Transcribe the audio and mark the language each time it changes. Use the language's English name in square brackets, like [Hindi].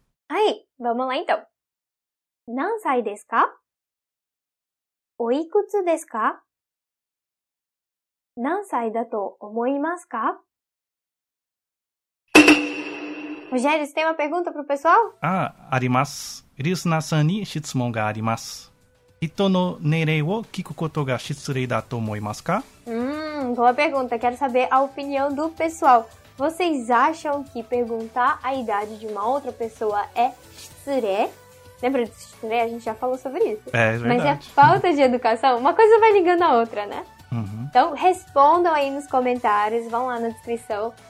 [Portuguese] Aí, vamos lá então. [Japanese] 何歳ですか? おいくつですか?何歳だと思いますか? [Portuguese] ロジェル、você tem uma pergunta pro pessoal? [Japanese] Ah, あります。リスナーさんに質問があります。人の年齢を聞くことが失礼だと思いますか? [Portuguese] boa pergunta. Quero saber a opinião do pessoal. Vocês acham que perguntar a idade de uma outra pessoa é 失礼? Lembra disso? A gente já falou sobre isso. É verdade. Mas é falta de educação. Uma coisa vai ligando a outra, né? Uhum. Então, respondam aí nos comentários. Vão lá na descrição.